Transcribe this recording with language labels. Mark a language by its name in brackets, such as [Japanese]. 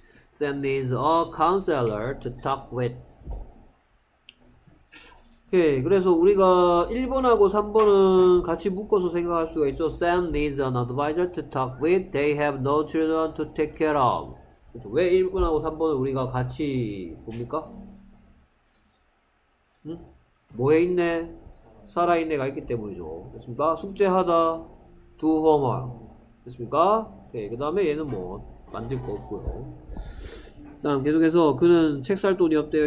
[English] 샘 needs a counselor to talk with. [Korean] 오케이, 그래서 우리가 1번하고 3번은 같이 묶어서 생각할 수가 있죠. [English] Sam needs an advisor to talk with. They have no children to take care of. [Korean] 그렇죠. 왜 1번하고 3번을 우리가 같이 봅니까? 응? 뭐에 있네? 살아있네가 있기 때문이죠. 됐습니까? 숙제하다. [English] Do homework. [Korean] 됐습니까? 오케이, 그 다음에 얘는 뭐 만들 거 없고요. 다음 계속해서 그는 책 살 돈이 없대요.